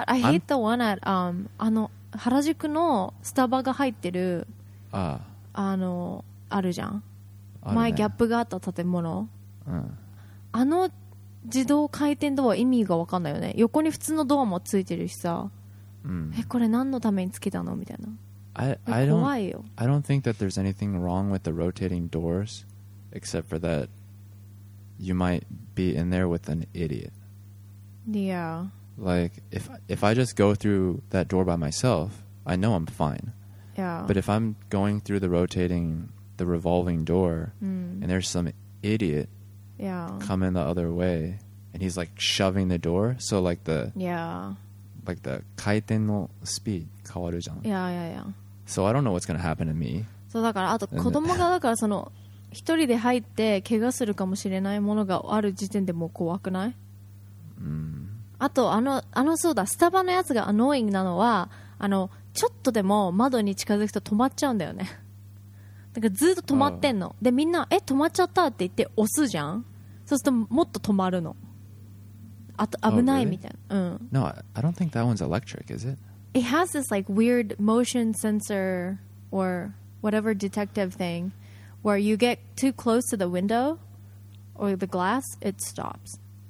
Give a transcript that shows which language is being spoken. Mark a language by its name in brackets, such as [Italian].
[English] God, I hate、I'm... the one at, [Japanese] あの原宿のスタバが入ってる あのあるじゃん、ね、前ギャップがあった建物、うん、あの自動回転ドア意味が分かんないよね。横に普通のドアもついてるしさ、うん、えこれ何のためにつけたのみたいな。怖いよ。 [English] I don't think that there's anything wrong with the rotating doors except for that you might be in there with an idiot. Yeah. Like, if I just go through that door by myself, I know I'm fine. Yeah. But if I'm going through the revolving door, and there's some idiot coming the other way, and he's, like, shoving the door, so, like, the... Yeah. Like, the [Japanese] 回転の speed 変わるじゃん。 [English] Yeah. So, I don't know what's going to happen to me. [Japanese] そうだから、あと子供がだからその、一人で入って怪我するかもしれないものがある時点でもう怖くない? あとあのそうだスタバのやつがアノイングなのはあのちょっとでも窓に近づくと止まっちゃうんだよね。だからずっと止まってんの、oh. でみんなえ止まっちゃったって言って押すじゃん。そうするともっと止まるの。あと危ないみたいな、 [English] oh, really? [Japanese] うん。 [English] No, I don't think that one's electric, is it? It has this like weird motion sensor or whatever detective thing where you get too close to the window or the glass, it stops.